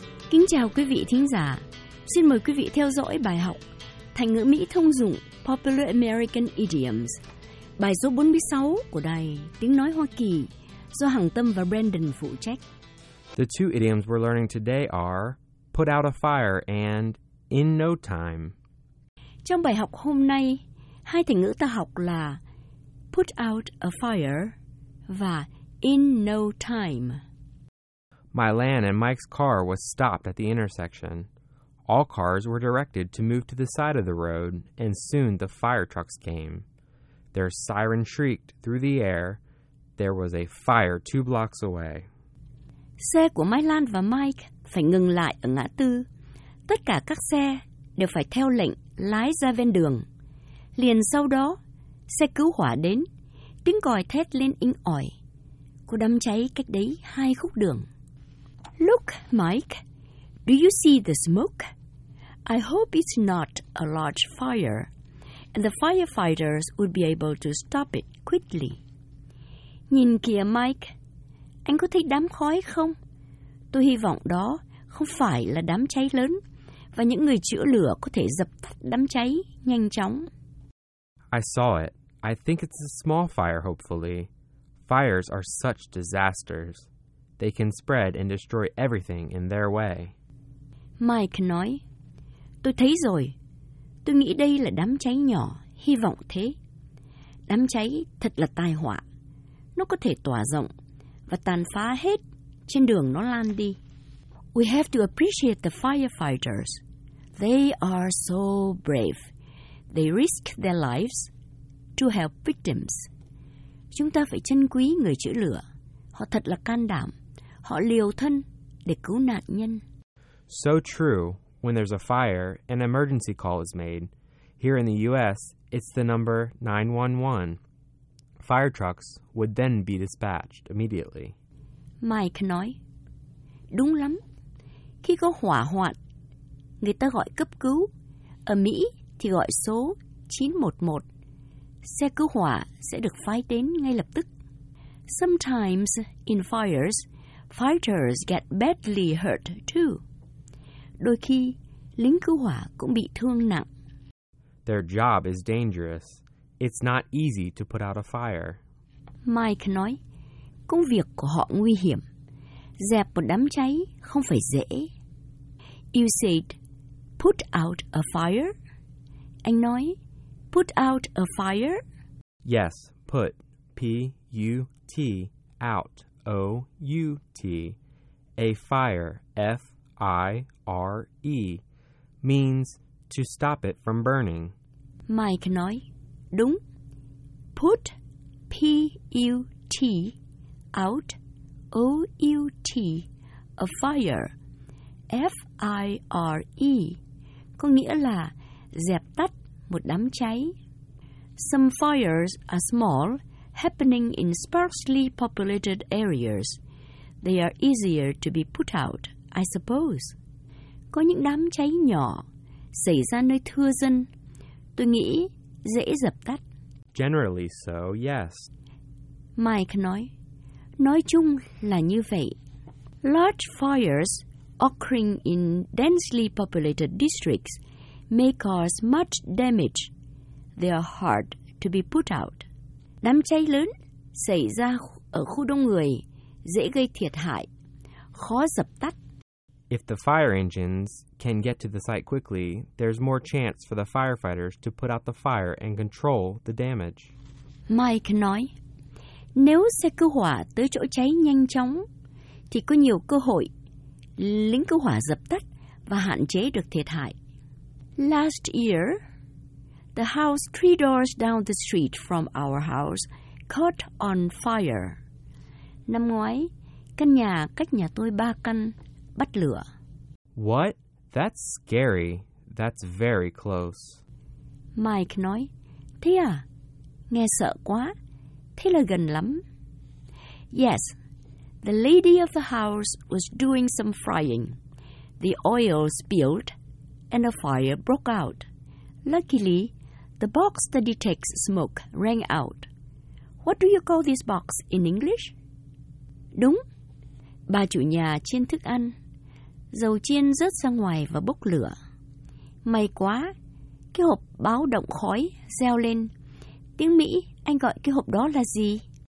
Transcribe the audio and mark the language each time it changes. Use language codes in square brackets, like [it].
[vi] Kính chào quý vị thính giả. Xin mời quý vị theo dõi bài học Thành ngữ Mỹ thông dụng Popular American Idioms, bài số 46 của đài Tiếng Nói Hoa Kỳ do Hằng Tâm và Brandon phụ trách. [en] The two idioms we're learning today are put out a fire and in no time. [vi] Trong bài học hôm nay, hai thành ngữ ta học là put out a fire và in no time. [en] Mylan and Mike's car was stopped at the intersection. All cars were directed to move to the side of the road, and soon the fire trucks came. Their siren shrieked through the air. There was a fire two blocks away. [vi] Xe của Mylan và Mike phải ngừng lại ở ngã tư. Tất cả các xe đều phải theo lệnh lái ra ven đường. Liền sau đó, xe cứu hỏa đến, tiếng còi thét lên inh ỏi. Cô đâm cháy cách đấy hai khúc đường. [en] Look, Mike, do you see the smoke? I hope it's not a large fire, and the firefighters would be able to stop it quickly. [vi] Nhìn kìa, Mike, anh có thấy đám khói không? Tôi hy vọng đó không phải là đám cháy lớn, và những người chữa lửa có thể dập tắt đám cháy nhanh chóng. [en] I saw it. I think it's a small fire, hopefully. Fires are such disasters. They can spread and destroy everything in their way. [vi] Mike nói, tôi thấy rồi. Tôi nghĩ đây là đám cháy nhỏ, hy vọng thế. Đám cháy thật là tai họa. Nó có thể tỏa rộng và tàn phá hết trên đường nó lan đi. [en] We have to appreciate the firefighters. They are so brave. They risk their lives to help victims. [vi] Chúng ta phải trân quý người chữa lửa. Họ thật là can đảm. Họ liều thân để cứu nạn nhân. [en] So true, when there's a fire, an emergency call is made. Here in the U.S., it's the number 911. Fire trucks would then be dispatched immediately. [vi] Mike nói, đúng lắm. Khi có hỏa hoạn, người ta gọi cấp cứu. Ở Mỹ thì gọi số 911. Xe cứu hỏa sẽ được phái đến ngay lập tức. [en] Sometimes in fires, fighters get badly hurt too. [vi] Đôi khi, lính cứu hỏa cũng bị thương nặng. [en] Their job is dangerous. It's not easy to put out a fire. [vi] Mike nói, công việc của họ nguy hiểm. Dẹp một đám cháy không phải dễ. [en] You said, put out a fire? [vi] Anh nói, [en] put out a fire? Yes, put, P-U-T, out. O-U-T, a fire, F-I-R-E, means to stop it from burning. [vi] Mike nói, đúng. Put, P-U-T, out, O-U-T, a fire, F-I-R-E, có nghĩa là dẹp tắt một đám cháy. [en] Some fires are small, happening in sparsely populated areas. They are easier to be put out, I suppose. [vi] Có những đám cháy nhỏ xảy ra nơi thưa dân. Tôi nghĩ dễ dập tắt. [en] Generally so, yes. [vi] Mike nói, nói chung là như vậy. [en] Large fires occurring in densely populated districts may cause much damage. They are hard to be put out. [vi] Đám cháy lớn xảy ra ở khu đông người dễ gây thiệt hại, khó dập tắt. [en] If the fire engines can get to the site quickly, there's more chance for the firefighters to put out the fire and control the damage. [vi] Mike nói, nếu xe cứu hỏa tới chỗ cháy nhanh chóng, thì có nhiều cơ hội lính cứu hỏa dập tắt và hạn chế được thiệt hại. [en] Last year, the house three doors down the street from our house caught on fire. [vi] Năm ngoái, căn nhà cách nhà tôi ba căn bắt lửa. [en] What? That's scary. That's very close. [vi] Mike nói, thế à? Nghe sợ quá. Thế là gần lắm. [en] Yes, the lady of the house was doing some frying. The oil spilled and a fire broke out. Luckily, the box that detects smoke rang out. What do you call this box in English? [vi] Đúng. Bà chủ nhà chiên thức ăn. Dầu chiên rớt ra ngoài và bốc lửa. May quá, cái hộp báo động khói reo lên. Tiếng Mỹ, anh gọi cái hộp đó là gì?